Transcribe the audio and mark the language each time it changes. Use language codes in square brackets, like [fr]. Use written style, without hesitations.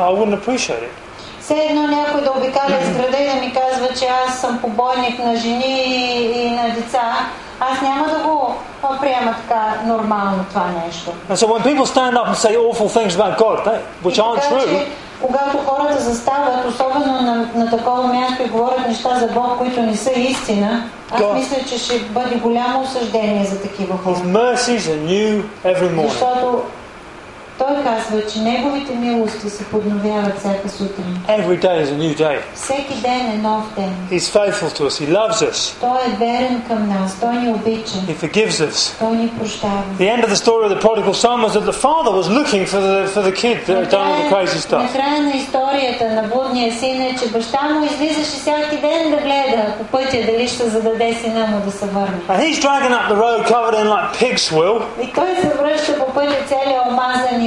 [en] I wouldn't appreciate it. [bg] Все едно някой да обикаля с града и да ми казва, че аз съм побойник на жени и на деца. Аз няма да го приема така нормално това нещо. [en] And so when people stand up and say awful things about God, which aren't true. [bg] Когато хората застават, особено на такова място и говорят неща за Бог, които не са истина, аз мисля, че ще бъде голямо осъждение за такива хора. [en] His mercies are new every morning. [bg] Защото Той казва, че неговите милости се подновяват всяка сутрин. [en] Every day is a new day. [bg] Всеки ден е нов ден. [en] He's faithful to us. He loves us. [bg] Той е верен към нас. Той ни обича. [en] He forgives us. [bg] Той ни прощава. [en] The end of the story of the prodigal son was that the father was looking for the kid that had done all the crazy stuff. [bg] Накрая на историята на блудния син е, че баща му излизаше всяки ден да гледа по пътя дали ще зададе сина му да се върне. [en] And he's dragging up the road covered in like pig's wool. [bg] И той се връща по пътя целия омазан.